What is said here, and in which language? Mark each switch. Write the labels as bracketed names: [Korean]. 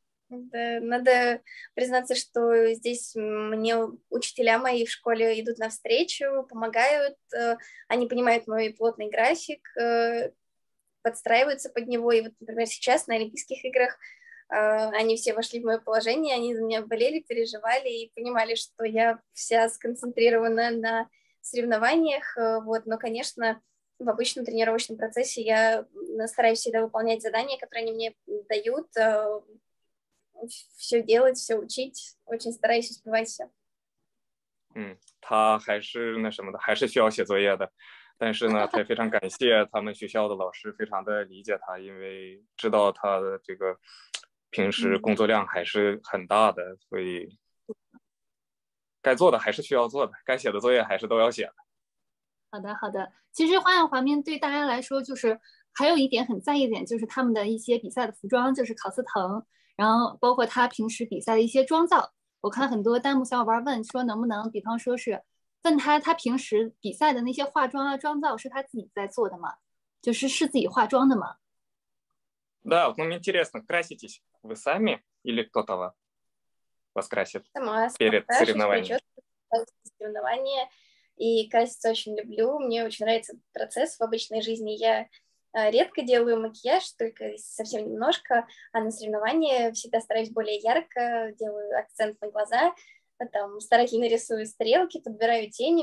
[Russian] Надо признаться, что здесь мне учителя мои в школе идут навстречу, помогают, они понимают мой плотный график, подстраиваются под него. И вот, например, сейчас на Олимпийских играх они все вошли в мое положение, они за меня болели, переживали и понимали, что я вся сконцентрирована на соревнованиях. Вот, но, конечно, в обычном тренировочном процессе я стараюсь всегда выполнять задания, которые они мне дают, все делать, все учить, очень стараюсь успевать все. [Chinese] 他还是那什么的，还是需要写作业的。但是呢，他也非常感谢他们学校的老师，非常的理解他，因为知道他的这个平时工作量还是很大的，所以该做的还是需要做的，该写的作业还是都要写的。好的，好的。其实花样滑冰对大家来说，就是还有一点很在意一点，就是他们的一些比赛的服装，就是考斯滕，然后包括他平时比赛的一些妆造。我看很多弹幕小伙伴问说，能不能比方说是问他平时比赛的那些化妆啊、妆造是他自己在做的吗？就是自己化妆的吗？ [Russian] Да, вот мне интересно, краситесь вы сами или кто-то вас красит перед соревнованием? Соревнования и краситься очень люблю. Мне очень нравится процесс в обычной жизни. Я редко делаю макияж, только совсем немножко, а на соревнования всегда стараюсь более ярко, делаю акцент на глаза, там, старательно рисую стрелки, подбираю тени.